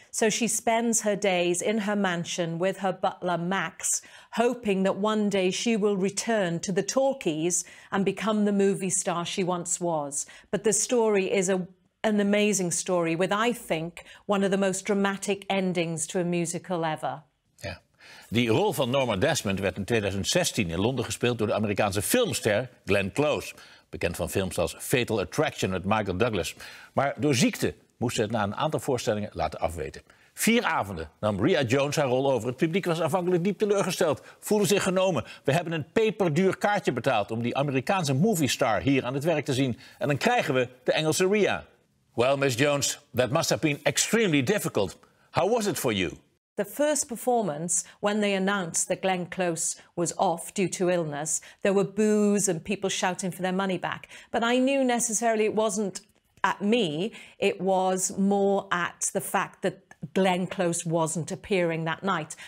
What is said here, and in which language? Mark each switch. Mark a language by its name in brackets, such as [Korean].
[English] So she spends her days in her mansion with her butler, Max, hoping that one day she will return to the talkies and become the movie star she once was. But the story is an amazing story with, I think, one of the most dramatic endings to a musical ever. Yeah. [Dutch] Die rol van Norma Desmond werd in 2016 in Londen gespeeld door de Amerikaanse filmster Glenn Close. Bekend van films als Fatal Attraction met Michael Douglas. Maar door ziekte moest ze het na een aantal voorstellingen laten afweten. 4 avonden nam Rhea Jones haar rol over. Het publiek was aanvankelijk diep teleurgesteld, voelde zich genomen. We hebben een peperduur kaartje betaald om die Amerikaanse movie star hier aan het werk te zien. En dan krijgen we de Engelse Rhea. [English] Well, Miss Jones, that must have been extremely difficult. How was it for you? The first performance, when they announced that Glenn Close was off due to illness, there were boos and people shouting for their money back. But I knew necessarily it wasn't at me, it was more at the fact that Glenn Close wasn't appearing that night.